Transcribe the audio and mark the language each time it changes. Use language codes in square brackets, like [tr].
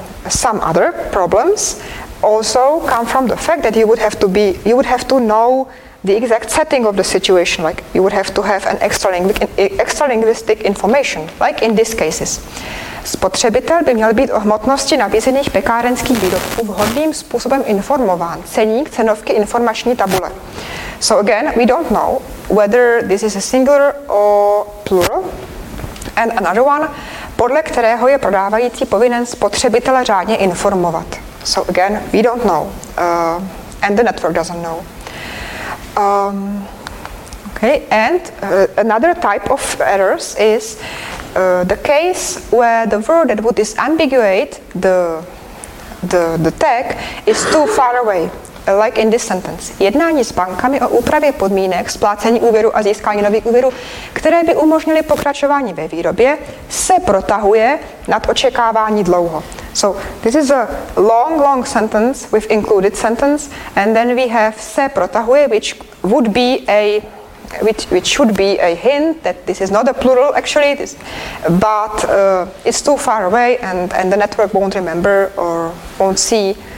[en] Some other problems also come from the fact that you would have to know the exact setting of the situation. Like you would have to have an extra linguistic information, like in these cases. [cs] Spotřebitel by měl být o hmotnosti nabízených pekárenských výrobků vhodným způsobem informován. Ceník cenovky informační tabule. [en] So again, we don't know whether this is a singular or plural. And another one, [cs] podle kterého je prodávající povinen spotřebitele řádně informovat. [en] So again, we don't know. And the network doesn't know. Another type of errors is the case where the word that would disambiguate the tag is too far away, like in this sentence. [cs] Jednání s bankami o úpravě podmínek splácení úvěru a získání nových úvěrů, které by umožnily pokračování ve výrobě, se protahuje nad očekávání dlouho. [en] So this is a long sentence with included sentence, and then we have [cs] se protahuje, [en] which should be a hint that this is not a plural actually, but it's too far away and the network won't remember or won't see.